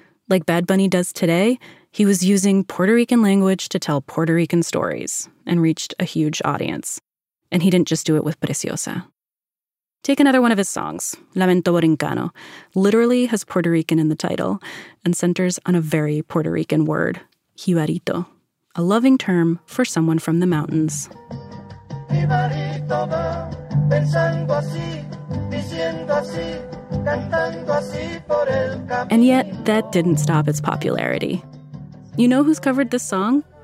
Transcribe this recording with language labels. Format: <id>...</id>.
<en>Like Bad Bunny does today, he was using Puerto Rican language to tell Puerto Rican stories and reached a huge audience. And he didn't just do it with Preciosa. Take another one of his songs, Lamento Borincano, literally has Puerto Rican in the title and centers on a very Puerto Rican word, jibarito, a loving term for someone from the mountains.</en> <es>Jibarito va pensando así, diciendo así, cantando así por el camino.</es> <en>And yet, that didn't stop its popularity. You know who's covered this song?</en>